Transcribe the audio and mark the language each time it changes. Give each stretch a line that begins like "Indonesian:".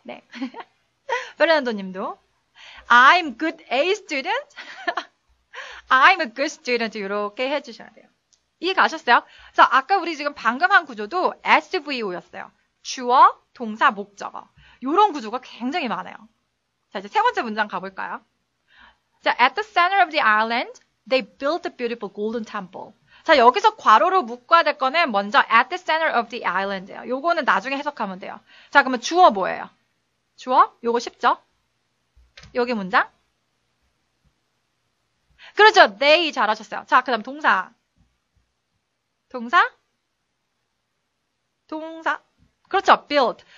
Korean: 네. 페르난도님도.
English: I'm good A student. I'm a good student.
Korean: 이렇게 해주셔야 돼요. 이해가셨어요? 자, 아까 우리 지금 방금 한 구조도 SVO였어요. 주어, 동사, 목적어. 요런 구조가 굉장히 많아요. 자, 이제 세 번째 문장 가볼까요?
English: 자, at the center of the island, they built a beautiful golden temple.
Korean: 자, 여기서 괄호로 묶어야 될 거는 먼저
English: at the center of the island
Korean: 예요. 요거는 나중에 해석하면 돼요. 자, 그러면 주어 뭐예요? 주어? 요거 쉽죠? 여기 문장? 그렇죠. They 잘하셨어요. 자, 그 다음 동사. 동사? 동사. 그렇죠. Built.